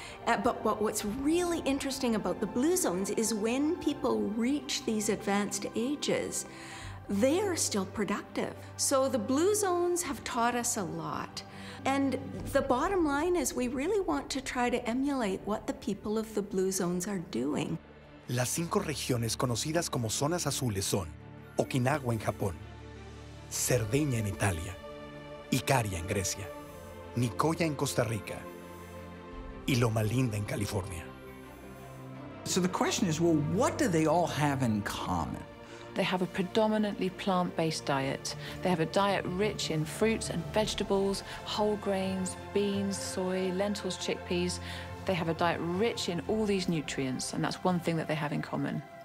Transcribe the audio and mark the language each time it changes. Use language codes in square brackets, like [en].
[en] But what's really interesting about the blue zones is when people reach these advanced ages, they are still productive. So the blue zones have taught us a lot. And the bottom line is we really want to try to emulate what the people of the blue zones are doing. [es] Las cinco regiones conocidas como zonas azules son Okinawa en Japón, Cerdeña en Italia, Ikaria en Grecia, Nicoya en Costa Rica, y Loma Linda en California. [en] So the question is, well, what do they all have in common? They have a predominantly plant-based diet. They have a diet rich in fruits and vegetables, whole grains, beans, soy, lentils, chickpeas. They have a diet rich in all these nutrients, and that's one thing that they have in common.